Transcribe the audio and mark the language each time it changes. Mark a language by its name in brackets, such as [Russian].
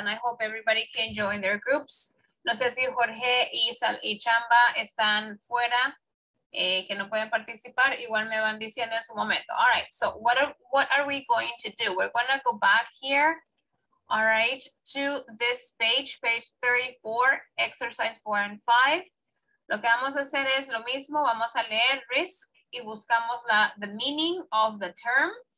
[English] And I hope everybody can join their groups. [Spanish] No sé si Jorge y Sal y Chamba están fuera, que no pueden participar, igual me van diciendo en su momento. [English] All right, so what are we going to do? We're going to go back here, all right, to this page, page 34, exercise 4 and 5. [Spanish] Lo que vamos a hacer es lo mismo, vamos a leer risk y buscamos [English] the meaning of the term.